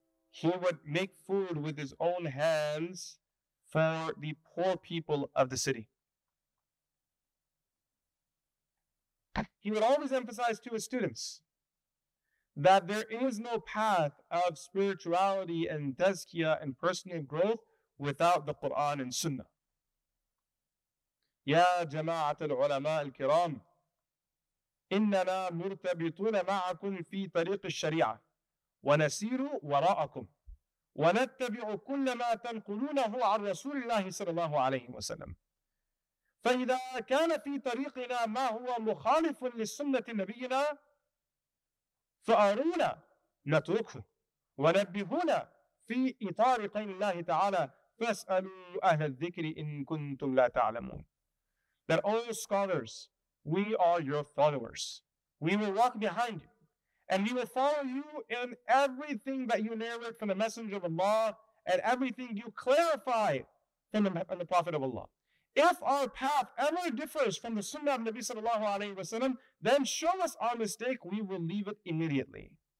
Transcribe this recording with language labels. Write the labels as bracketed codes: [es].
[en] He would make food with his own hands for the poor people of the city. He would always emphasize to his students that there is no path of spirituality and tazkiyah and personal growth without the Quran and Sunnah. [ar] يا جماعة العلماء الكرام إننا مرتبطون معكم في طريق الشريعة ونسير وراءكم ونتبع كل ما تنقلونه عن رسول الله صلى الله عليه وسلم فإذا كان في طريقنا ما هو مخالف لسنة نبينا فأرونا نتركه ونبهونا في إطار قول الله تعالى فاسألوا أهل الذكر إن كنتم لا تعلمون. [en] That, oh scholars, we are your followers. We will walk behind you. And we will follow you in everything that you narrate from the Messenger of Allah and everything you clarify from the Prophet of Allah. If our path ever differs from the Sunnah of Nabi Sallallahu Alaihi Wasallam, then show us our mistake, we will leave it immediately.